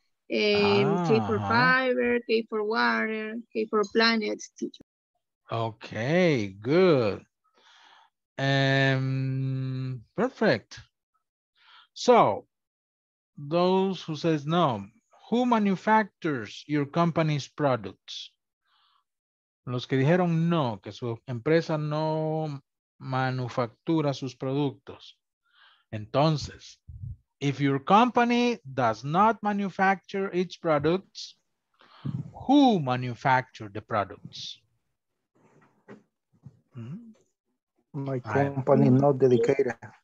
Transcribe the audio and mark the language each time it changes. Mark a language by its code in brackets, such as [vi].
[en] K for fiber, K for water, K for planet, teacher. Okay, good. Perfect. So, those who says no, who manufactures your company's products? [es] Los que dijeron no, que su empresa no manufactura sus productos. [en] Entonces, if your company does not manufacture its products, who manufactures the products? My company not dedicated.